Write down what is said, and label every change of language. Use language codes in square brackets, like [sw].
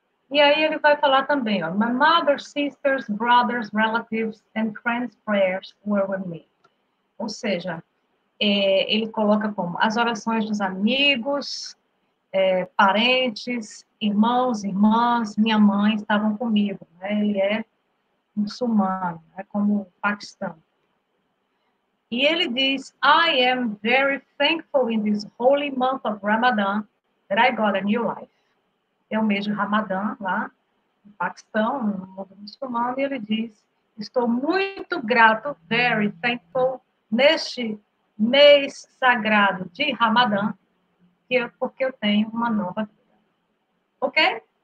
[pt] E aí ele vai falar também, ó, [en] my mother, sisters, brothers, relatives and friends' prayers were with me. [pt] Ou seja, ele coloca como as orações dos amigos, parentes, irmãos, irmãs, minha mãe estavam comigo, né? Ele é muçulmano, é como o Paquistão. E ele diz, [en] I am very thankful in this holy month of Ramadan that I got a new life. [pt] É o mês de Ramadã, lá no Paquistão, no mundo muçulmano, e ele diz, estou muito grato, [en] very thankful, [pt] neste mês sagrado de Ramadã, porque eu tenho uma nova vida. Ok?